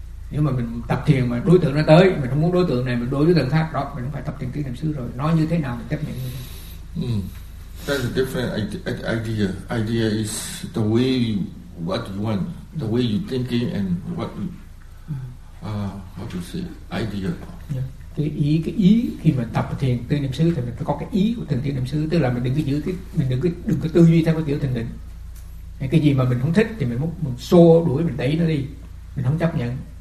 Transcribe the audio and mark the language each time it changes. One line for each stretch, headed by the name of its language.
Vietnamese: Nếu mà mình tập thiền mà đối tượng nó tới, mình không muốn đối tượng này, mình đối với tượng khác đó, mình không phải tập thiền tứ niệm xứ rồi. Nó như thế nào mình chấp nhận.
English: That's a different idea. Idea is the way you, what you want, the way you thinking and what you, how to say, idea.
Vietnamese: Cái ý khi mà tập thiền tứ niệm xứ thì mình phải có cái ý của thiền tứ niệm xứ, tức là mình đừng có giữ cái, mình đừng có tư duy theo cái kiểu thiền định. Cái gì mà mình không thích thì mình xô đuổi, mình đẩy nó đi, mình không chấp nhận.